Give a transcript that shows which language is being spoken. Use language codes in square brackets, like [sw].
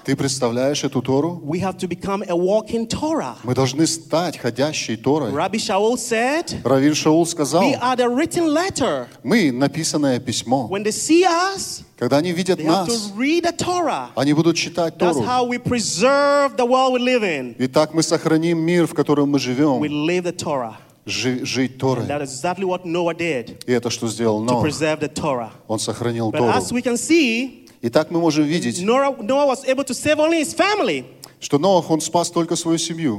[ru] Ты представляешь эту Тору? [en] We have to become a walking Torah. [ru] Мы должны стать ходящей Торой. [en] Rabbi Shaul said, [ru] Раввин Шаул сказал, [en] we are the written letter. [ru] Мы написанное письмо. [en] When they see us, [ru] когда они видят нас, они будут читать Тору. [en] That's how we preserve the world we live in. [ru] Итак, мы сохраним мир, в котором мы живем. [en] We live the Torah. [ru] Жить Торой. [en] And that is exactly what Noah did. [ru] И это что сделал Ноах? [en] To preserve the Torah. [ru] Он сохранил [en] But [ru] Тору. [en] As we can see, [ru] итак, мы можем видеть, [en] Noah was able to save only his family. [ru] Что Ноах, он спас только свою семью.